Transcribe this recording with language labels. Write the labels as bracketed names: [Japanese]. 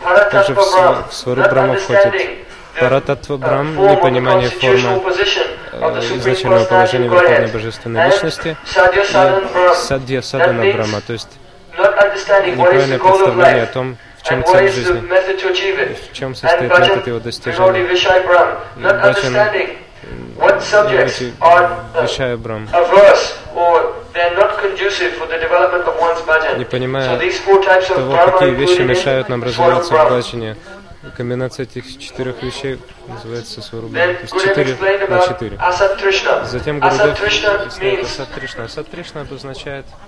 [Russian] Также в Сварубрама входит Парататтва Брам, непонимание формы изначального положения Верховной Божественной Личности, и Садья Садана Брама, то есть неправильное представление о том, в чем цель жизни, в чем состоит метод его достижения. [English] Бачан, what subjects are averse or they are not conducive for the development of one's bhajan? [Russian] Не понимая того, какие вещи мешают нам развиваться в бхаджане. Комбинация этих четырех вещей называется сварубрама. То есть четыре на четыре. Затем Гурудев объясняет Асад Тришна. Асад Тришна обозначает